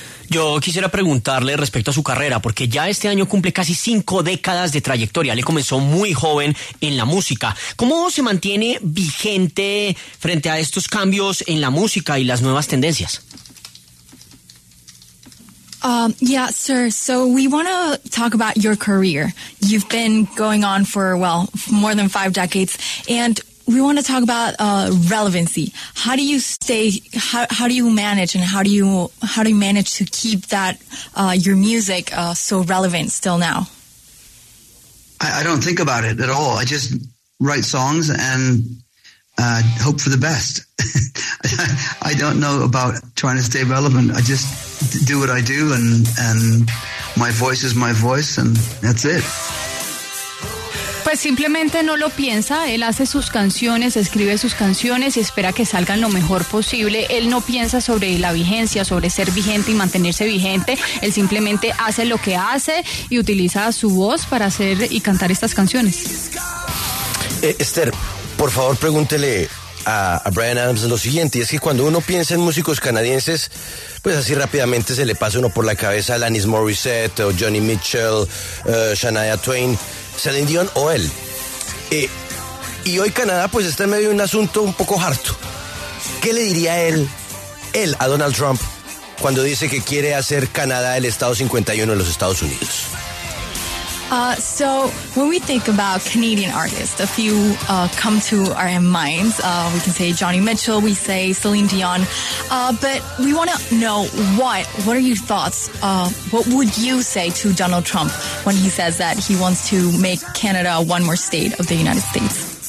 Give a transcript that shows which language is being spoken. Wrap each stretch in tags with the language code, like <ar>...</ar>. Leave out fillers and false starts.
<es>Yo quisiera preguntarle respecto a su carrera, porque ya este año cumple casi 5 décadas de trayectoria. Le comenzó muy joven en la música. ¿Cómo se mantiene vigente frente a estos cambios en la música y las nuevas tendencias?</es> <en>Yeah, sir. So we want to talk about your career. You've been going on for, well, more than 5 decades. And we want to talk about relevancy. How do you stay? How do you manage? And how do you manage to keep that your music so relevant still now? I don't think about it at all. I just write songs, and hope for the best. I don't know about trying to stay relevant. I just do what I do, and my voice is my voice, and that's it.</en> <es>Pues simplemente no lo piensa, él hace sus canciones, escribe sus canciones y espera que salgan lo mejor posible. Él no piensa sobre la vigencia, sobre ser vigente y mantenerse vigente. Él simplemente hace lo que hace y utiliza su voz para hacer y cantar estas canciones. Esther, por favor pregúntele a Bryan Adams lo siguiente, y es que cuando uno piensa en músicos canadienses, pues así rápidamente se le pasa uno por la cabeza Alanis Morissette o Joni Mitchell, Shania Twain, Celine Dion o él. Y hoy Canadá pues está en medio de un asunto un poco harto. ¿Qué le diría él a Donald Trump cuando dice que quiere hacer Canadá el estado 51 de los Estados Unidos?</es> <en>So when we think about Canadian artists, a few come to our minds. We can say Joni Mitchell, we say Celine Dion, but we want to know what are your thoughts? What would you say to Donald Trump when he says that he wants to make Canada one more state of the United States?</en>